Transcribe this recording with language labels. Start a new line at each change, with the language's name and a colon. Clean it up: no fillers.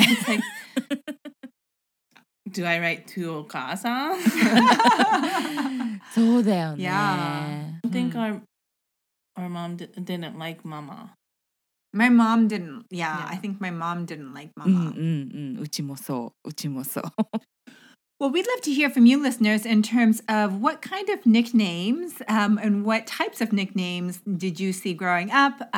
English: Like, do I write to okasan? So then, yeah. I think our mom didn't like mama. My mom didn't. Yeah, I think my mom didn't like mama.
Japanese: うちもそう。うちもそう。
English: Well, we'd love to hear from you listeners in terms of what kind of nicknames and what types of nicknames did you see growing up?